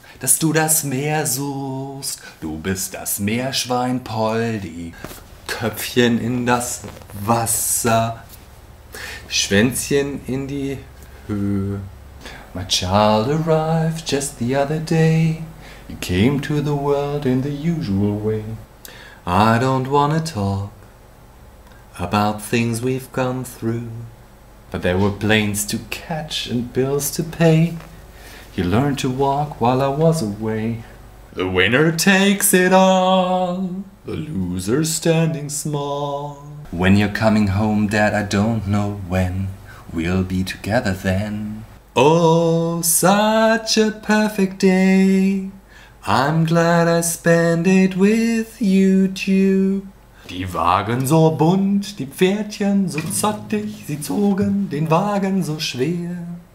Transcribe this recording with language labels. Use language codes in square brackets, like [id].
[de] Dass du das Meer suchst, du bist das Meerschwein, Poldi. Köpfchen in das Wasser, Schwänzchen in die Höhe. [en] My child arrived just the other day. He came to the world in the usual way. I don't wanna talk about things we've gone through. But there were planes to catch and bills to pay. He learned to walk while I was away. The winner takes it all, the loser standing small. When you're coming home, Dad, I don't know when we'll be together then. Oh, such a perfect day. I'm glad I spend it with you, too. [de] Die Wagen so bunt, die Pferdchen so zottig, sie zogen den Wagen so schwer.